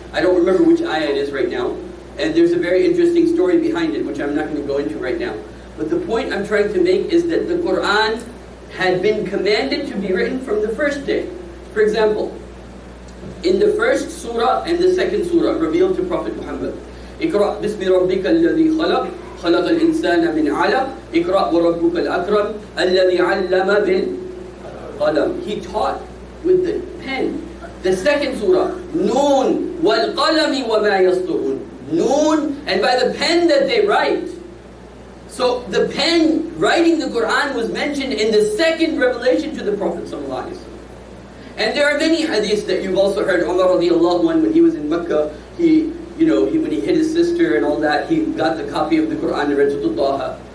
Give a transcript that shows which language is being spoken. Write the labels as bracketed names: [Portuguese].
[English] I don't remember which ayah it is right now. And there's a very interesting story behind it, which I'm not going to go into right now. But the point I'm trying to make is that the Quran had been commanded to be written from the first day. For example, in the first surah and the second surah revealed to Prophet Muhammad, [Arabic] اقرأ بسم ربك الذي خلق خلق الإنسان من علق اقرأ وربك الأكرم الذي علم بالقلم. [English] He taught with the pen. The second surah, [Arabic] نون والقلم وما يسطرون. [English] نون, and by the pen that they write. So the pen writing the Quran was mentioned in the second revelation to the Prophet ﷺ. And there are many hadiths that you've also heard. Umar radiallahu anhu, when he was in Mecca, when he hit his sister and all that, he got the copy of the Quran and read to Taha.